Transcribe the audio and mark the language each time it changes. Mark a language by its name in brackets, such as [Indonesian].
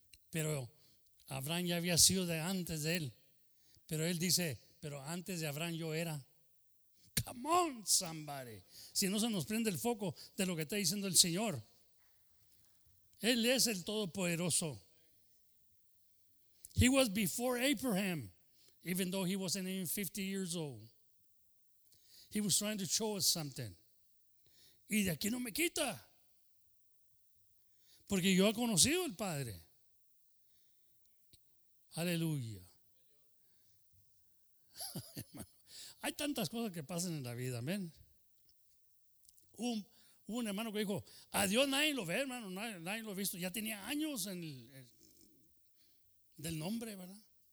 [Spanish] Pero Abraham ya había sido de antes de él. Pero él dice, pero antes de Abraham yo era. [English] Come on, somebody. [Spanish] Si no se nos prende el foco de lo que está diciendo el Señor. Él es el Todopoderoso. [English] He was before Abraham, even though he wasn't even 50 years old. He was trying to show us something. [Spanish] Y de aquí no me quita. Porque yo he conocido al Padre. Aleluya. Hay tantas cosas que pasan en la vida, amén. Hubo un hermano que dijo, a Dios nadie lo ve, hermano, nadie lo ha visto. Ya tenía años en el del nombre, ¿verdad?